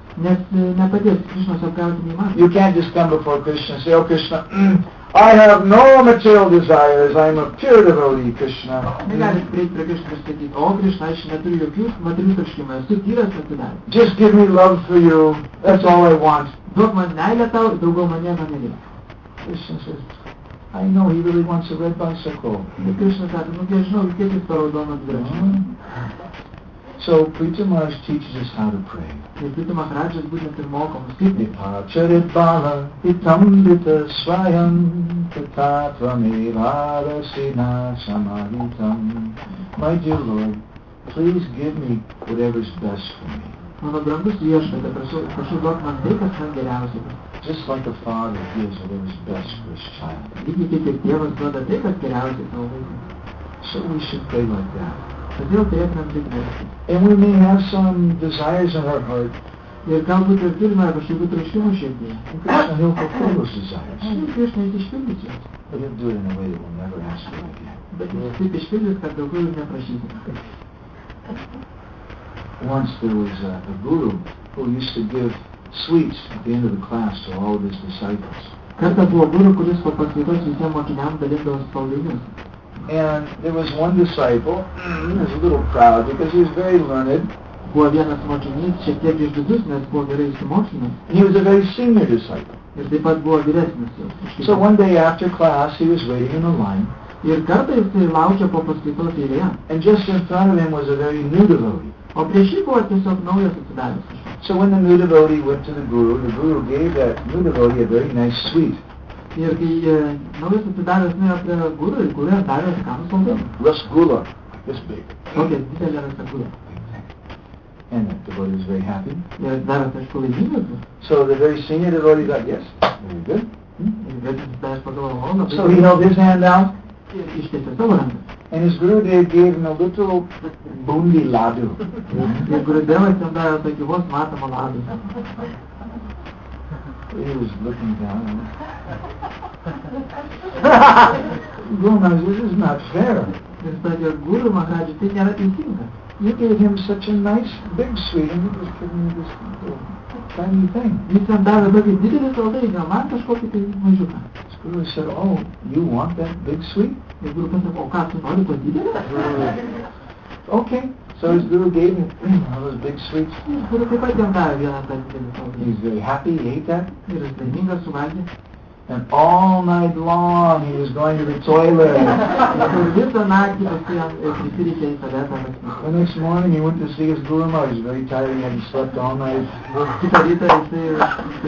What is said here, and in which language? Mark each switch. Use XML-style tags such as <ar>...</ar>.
<lt>Nes nepadės Krishnos apgauti neįmanoma.</lt> <en>You can't just come before Krishna and say, "Oh Krishna, I have no material desires. I'm a pure devotee, Krishna."</en> <lt>Negali prieiti prie Krishna ir sakyti, "O Krishna, aš neturiu jokių materialių troškimų. Esu tyras atsidavęs."</lt> <en>Just give me love for you. That's all I want.</en> <lt>Duok man meilę tau ir daugiau man nieko nereikia.</lt> <en>Krishna says, "I know he really wants a red bicycle."</en> <lt>Krishna sako, "Nu, aš žinau, kiek jis tau raudoną dviračių."</lt> <en>So Preeti Maharaj teaches us how to pray. Preeti Maharaj is going to talk about the</en> <sa>Paracharitbala Itambita Swayam Tatva Mirada Sina Samaritam.</sa> <en>My dear Lord, please give me whatever is best for me.</en> <lt>Mano brangus viešpatie, prašau duok man tai, kas man geriausia.</lt> <en>Just like a father gives whatever is best for his child.</en> <lt>Lygiai taip kaip tėvas duoda tai, kas geriausia savo vaikui.</lt> <en>So we should pray like that.</en> <lt>Todėl turėtumėm taip melstis.</lt> <en>And we may have some desires in our heart.</en> <lt>Ir galbūt ir turime kažkokių troškimų širdyje.</lt> <en>Krishna will fulfill those desires.</en> <lt>Ir Krishna jis išpildys juos.</lt> <en>But he'll do it in a way that we'll never ask him again.</en> <lt>Bet jis taip išpildys, kad daugiau jau neprašysim.</lt> <en>Once there was a guru who used to give sweets at the end of the class to all of his disciples.</en> <lt>Kartą buvo guru, kuris po paskaitos visiem mokiniam dalindavo saldainius.</lt> <en>And there was one disciple, he was a little proud because he was very learned.</en> <lt>Buvo vienas mokinys, šiek tiek išdidus, nes buvo gerai išsimokslinęs.</lt> <en>He was a very senior disciple.</en> <lt>Ir taip pat buvo vyresnis jau.</lt> <en>So one day after class he was waiting in a line.</en> <lt>Ir kartą jis laukė po paskaitos eilėje.</lt> <en>And just in front of him was a very new devotee.</en> <lt>O prieš jį buvo tiesiog naujas atsidavęs.</lt> <en>So when the new devotee went to the guru gave that new devotee a very nice sweet.</en> <lt>Ir kai naujas atsidavęs nuėjo prie guru, ir guru davė skanų saldumą.</lt> <en>Rasgula, this big.</en> <lt>Okay, didelė rasgula.</lt> <en>And the devotee was very happy.</en> <lt>Ir davęs aišku laimingas.</lt> <en>So the very senior devotee thought, yes, very good.</en> <lt>Ir vėlgi atsidavęs pagalvojo.</lt> <en>So he held his hand out.</en> <lt>Ir ištiesė savo ranką.</lt> <en>And his guru gave him a little bundi ladu.</en> <lt>Ir guru davė jam davė tokį vos matomą ladu.</lt> <en>He was looking down. Guru Maharaj, this is not fair.</en> <lt>Jis sakė, Guru Maharaj, tai nėra teisinga.</lt> <en>You gave him such a nice big sweet and he was giving me this tiny thing.</en> <lt>Jis jam davė tokį didelį saldainį, man kažkokį tai mažiuką.</lt> <en>His guru said, oh, you want that big sweet?</en> <lt>Jis guru pasakė, o ką tu nori to didelį?</lt> <en>Okay. So his guru gave him one of those big sweets. His guru</en> <lt>taip pat jam davė vieną tą didelį saldainį.</lt> <en>He's very happy, he ate that.</en> <lt>Ir jis laimingas suvalgė.</lt> <en>And all night long he was going to the toilet. The next morning he went to see his guru. He was very tired, he hadn't slept all night.</en>